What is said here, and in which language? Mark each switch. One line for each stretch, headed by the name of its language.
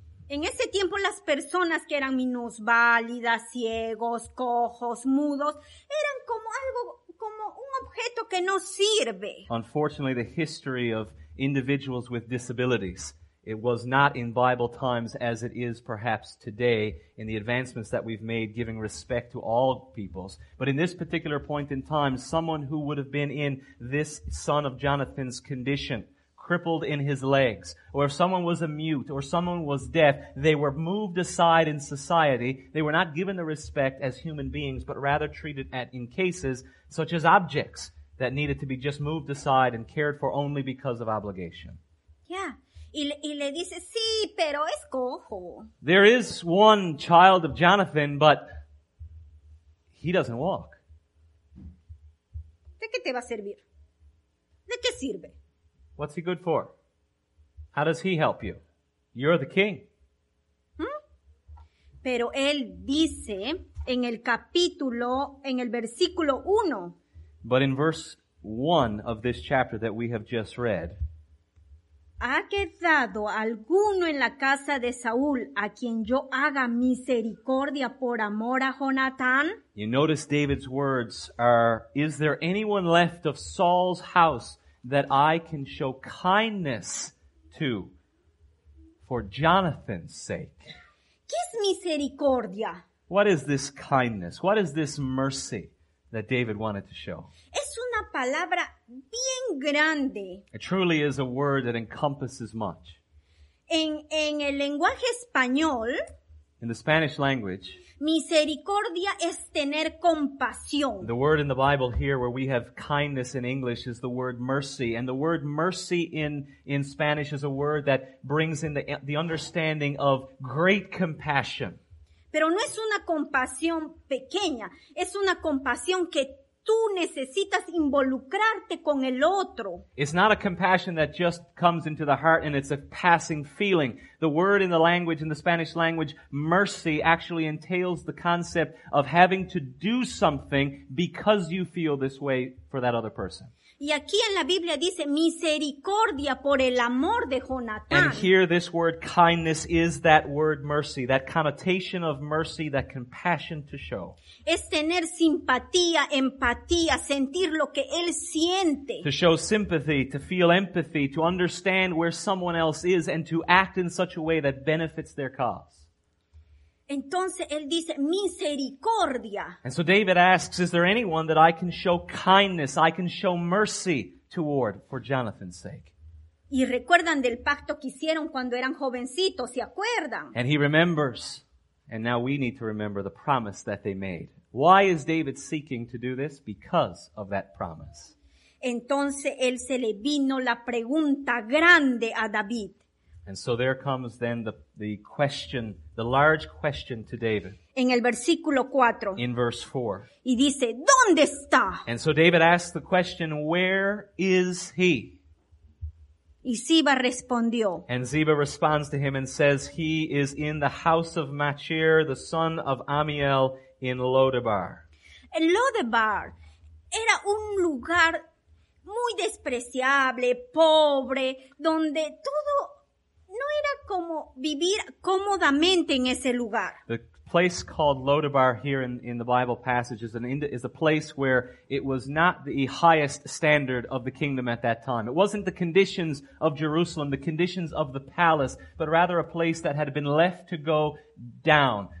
Spanish: En ese tiempo, las personas que eran minusválidas, ciegos, cojos, mudos, eran como algo, como un objeto que no sirve.
English: Unfortunately, the history of individuals with disabilities, it was not in Bible times as it is perhaps today in the advancements that we've made giving respect to all peoples. But in this particular point in time, someone who would have been in this son of Jonathan's condition, crippled in his legs, or if someone was a mute, or someone was deaf, they were moved aside in society. They were not given the respect as human beings, but rather treated at, in cases such as objects that needed to be just moved aside and cared for only because of obligation.
Spanish: Yeah. Y le dice, sí, pero es cojo.
English: There is one child of Jonathan, but he doesn't walk.
Spanish: ¿De qué te va a servir? ¿De qué sirve?
English: What's he good for? How does he help you? You're the king. ¿Mm?
Spanish: Pero él dice en el capítulo, en el versículo 1.
English: But in verse 1 of this chapter that we have just read.
Spanish: ¿Ha quedado alguno en la casa de Saúl a quien yo haga misericordia por amor a Jonatán?
English: You notice David's words are, is there anyone left of Saul's house that I can show kindness to for Jonathan's sake?
Spanish: ¿Qué es misericordia?
English: What is this kindness? What is this mercy that David wanted to show?
Spanish: Es una palabra bien grande.
English: It truly is a word that encompasses much.
Spanish: En el lenguaje español,
English: in the Spanish language,
Spanish: misericordia es tener compasión.
English: The word in the Bible here where we have kindness in English is the word mercy. And the word mercy in Spanish is a word that brings in the understanding of great compassion.
Spanish: Pero no es una compasión pequeña. Es una compasión que tú necesitas involucrarte con el otro.
English: It's not a compassion that just comes into the heart and it's a passing feeling. The word in the language, in the Spanish language, mercy, actually entails the concept of having to do something because you feel this way for that other person.
Spanish: Y aquí en la Biblia dice misericordia por el amor de Jonatán.
English: And here this word kindness is that word mercy, that connotation of mercy, that compassion to show.
Spanish: Es tener simpatía, empatía, sentir lo que él siente.
English: To show sympathy, to feel empathy, to understand where someone else is and to act in such a way that benefits their cause.
Spanish: Entonces él dice misericordia.
English: And so David asks, is there anyone that I can show kindness, I can show mercy toward for Jonathan's sake? Y recuerdan del pacto que hicieron cuando eran jovencitos, ¿se acuerdan? And he remembers, and now we need to remember the promise that they made. Why is David seeking to do this? Because of that promise.
Spanish: Entonces él se le vino la pregunta grande a David.
English: And so there comes then the question, the large question to David.
Spanish: En el versículo 4.
English: In verse 4.
Spanish: Y dice, ¿dónde está?
English: And so David asks the question, where is he?
Spanish: Y Ziba respondió.
English: And Ziba responds to him and says, he is in the house of Machir, the son of Amiel, in Lodebar.
Spanish: El Lodebar era un lugar muy despreciable, pobre, donde todo... No era como vivir cómodamente en ese lugar.
English: The place called Lodebar here in the Bible passage is a place where it was not the highest standard of the kingdom at that time. It wasn't the conditions of Jerusalem, the conditions of the palace, but rather a place that had been left to go down.